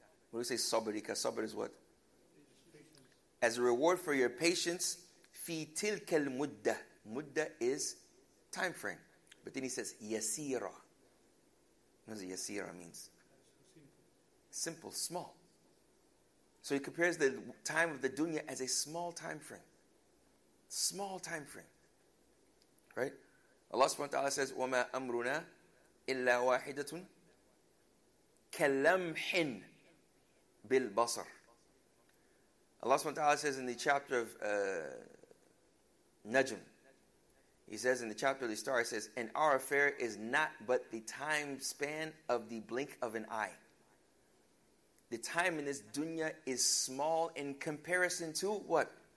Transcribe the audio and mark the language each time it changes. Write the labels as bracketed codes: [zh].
[en] What do we say sabrika? Sabr is what? As a reward for your patience, [ar] fi tilkal mudda. [en] Mudda is time frame. But then he says, yasira. What does yasira mean? Simple, small. So he compares the time of the dunya as a small time frame. Small time frame. Right? [ar] Allah subhanahu wa ta'ala says, وَمَا أَمْرُنَا إِلَّا وَاحِدَةٌ كَلَّمْحٍ بِالْبَصَرِ. [en] Allah subhanahu wa ta'ala says in the chapter of Najm, he says in the chapter of the star, he says, and our affair is not but the time span of the blink of an eye. The time in this dunya is small in comparison to what?